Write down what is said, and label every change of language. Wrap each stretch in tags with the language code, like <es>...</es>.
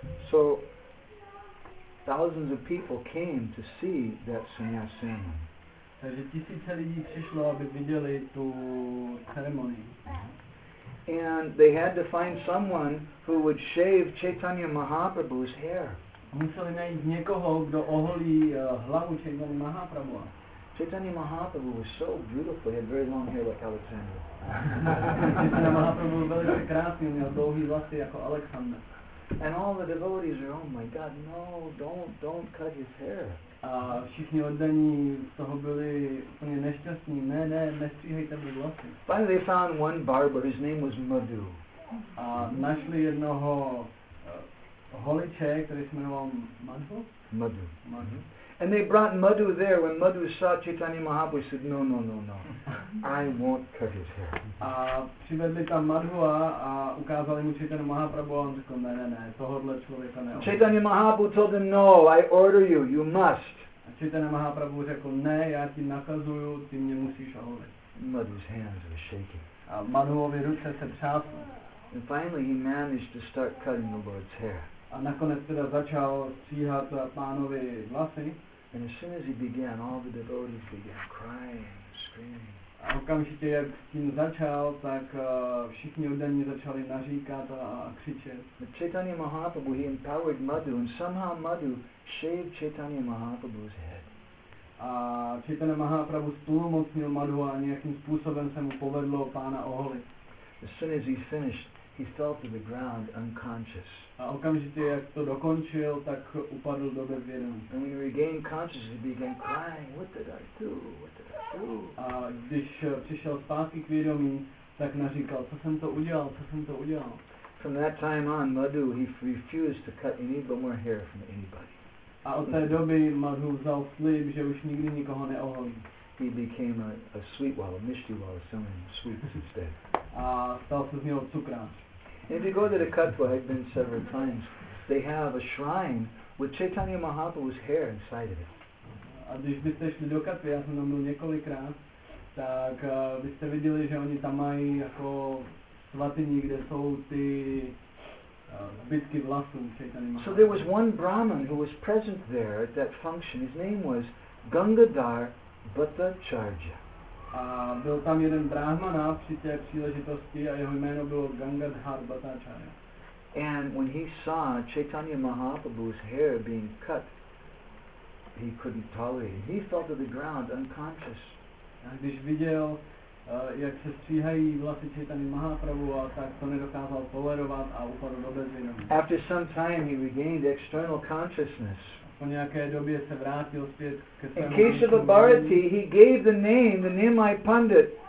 <en>So, thousands of people came to see that sannyasin.</en> <cs>Takže tisíce lidí přišlo, aby viděli tu ceremonii.</cs> <en>And they had to find someone who would shave Chaitanya Mahaprabhu's hair.</en> <cs>Museli najít někoho, kdo oholí hlavu Chaitanya Mahaprabhu.</cs> <en>Chaitanya Mahaprabhu was so beautiful, he had very long hair like Alexander.</en> <cs>Chaitanya Mahaprabhu byl velice krásný, měl dlouhý vlasy jako Alexander.</cs> <en>And all the devotees are, oh my God, no, don't cut his hair.</en> <cs>A všichni oddaní z toho byli úplně nešťastní. Ne, nestříhejte mi vlasy.</cs> <en>Finally they found one barber, his name was Madhu.</en> <cs>A našli jednoho holiče, který se jmenoval Madhu? Madhu. Madhu.</cs> <en>And they brought Madhu there. When Madhu saw Chaitanya Mahaprabhu, he said, no, I won't cut his hair.</en> <cs>A přivedli tam Madhua a ukázali mu Chaitanya Mahaprabhu a on řekl, ne, tohohle člověka neohodí.</cs> <en>Chaitanya Mahaprabhu told him, no, I order you, you must.</en> <cs>A Chaitanya Mahaprabhu řekl, ne, já ti nakazuju, ty mě musíš oholit.</cs> <en>Madhu's hands were shaking.</en> <cs>A Madhuovi ruce se třásly.</cs> <en>And finally he managed to start cutting the Lord's hair.</en> <cs>A nakonec teda začal stříhat pánovi vlasy.</cs> <en>And as soon as he began, all the devotees began crying, screaming.</en> <cs>A okamžitě, jak s tím začal, tak všichni oddaní začali naříkat a křičet.</cs> <en>But Chaitanya Mahaprabhu, he empowered Madhu, and somehow Madhu shaved Chaitanya Mahaprabhu's head.</en> <cs>A Chaitanya Mahaprabhu zplnomocnil Madhu a nějakým způsobem se mu povedlo pána oholit.</cs> <en>As soon as he finished, he fell to the ground unconscious.</en> <cs>A okamžitě, jak to dokončil, tak upadl do bezvědomí.</cs> <en>And when he regained consciousness, he began crying, what did I do? What did I do?</en> <cs>A když přišel zpátky k vědomí, tak naříkal, co jsem to udělal.</cs> <en>From that time on, Madhu, he refused to cut any more hair from anybody.</en> <cs>A od té doby Madhu vzal slib, že už nikdy nikoho neoholí.</cs> <en>He became a sweet wall, a mishti wall, selling sweets instead.</en> <cs>A stal se z něho cukrář.</cs> <en>If you go to the Katwa, I've been several times, they have a shrine with Chaitanya Mahaprabhu's hair inside of it.</en> <cs>A když byste šli do Katwy, já jsem tam byl několikrát, tak byste viděli, že oni tam mají jako svatyni, kde jsou ty zbytky vlasů Chaitanya Mahaprabhu.</cs> <en>So there was one Brahmin who was present there at that function. His name was Gangadhar Bhattacharya.</en> <cs>A byl tam jeden brahmana při té příležitosti a jeho jméno bylo Gangadhar Bhattacharya.</cs> <en>And when he saw Chaitanya Mahaprabhu's hair being cut, he couldn't tolerate it. He fell to the ground unconscious.</en> <cs>A když viděl, jak se stříhají vlasy Chaitanya Mahaprabhu, a tak to nedokázal tolerovat a upadl do bezvědomí.</cs> <en>After some time he regained external consciousness.</en> <cs>Po nějaké době se vrátil zpět k</cs> <en>In case of a Bharati, he gave the name I Pandit.</en>